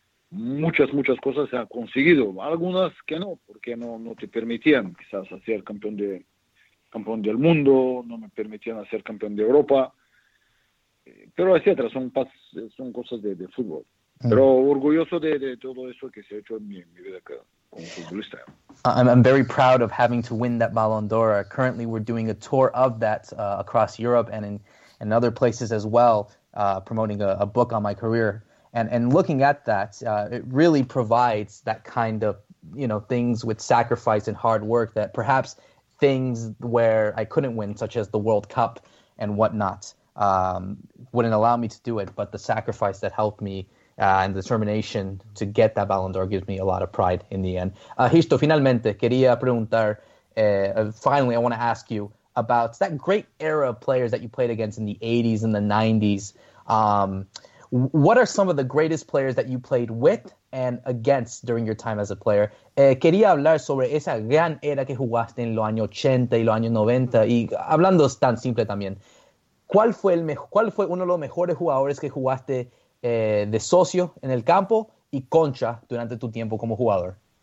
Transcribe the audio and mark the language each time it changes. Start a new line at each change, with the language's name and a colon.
Spanish: Muchas cosas se han conseguido. Algunas que no, porque no te permitían quizás hacer campeón del mundo, no me permitían hacer campeón de Europa, pero etcétera, son cosas de fútbol. Pero orgulloso de todo eso que se ha hecho en mi vida como futbolista.
English: I'm very proud of having to win that Ballon d'Or. Currently, we're doing a tour of that across Europe and in other places as well, promoting a book on my career. And looking at that, it really provides that kind of, you know, things with sacrifice and hard work that perhaps things where I couldn't win, such as the World Cup and whatnot, wouldn't allow me to do it. But the sacrifice that helped me and determination to get that Ballon d'Or gives me a lot of pride in the end. Histo,
Spanish: finalmente, quería preguntar,
English: finally, I want to ask you about that great era of players that you played against in the 80s and the 90s. What are some of the greatest players that you played with and against during your time as a player?
Spanish: Quería hablar sobre esa gran era que jugaste en los años 80 y los años 90. Y hablando tan simple también, ¿cuál fue uno de los mejores jugadores que jugaste de socio en el campo y concha durante tu tiempo como jugador?